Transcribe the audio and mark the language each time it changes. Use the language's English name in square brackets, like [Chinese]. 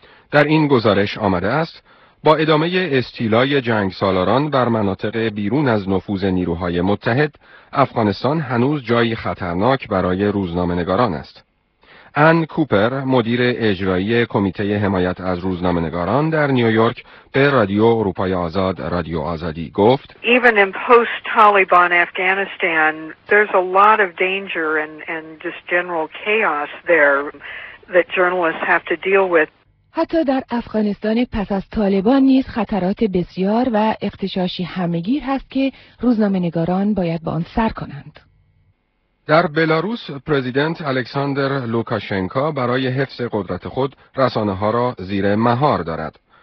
[Persian] در این گزارش آمده است با ادامه استیلای جنگسالاران بر مناطق بیرون از نفوذ نیروهای متحد، افغانستان هنوز جایی خطرناک برای روزنامه‌نگاران است. آن کوپر، مدیر اجرایی کمیته حمایت از روزنامه‌نگاران در نیویورک، به رادیو اروپای آزاد، رادیو آزادی گفت: [English] Even in post-Taliban Afghanistan, there's a lot of danger and just general chaos there that journalists have to deal with. [Persian] حتی در افغانستان پس از طالبان نیز خطرات بسیار و اغتشاشی همه‌گیر هست که روزنامه‌نگاران باید با آن سر کنند. در بلاروس، پرزیدنت الکساندر لوکاشنکا برای حفظ قدرت خود رسانه‌ها را زیر مهار دارد.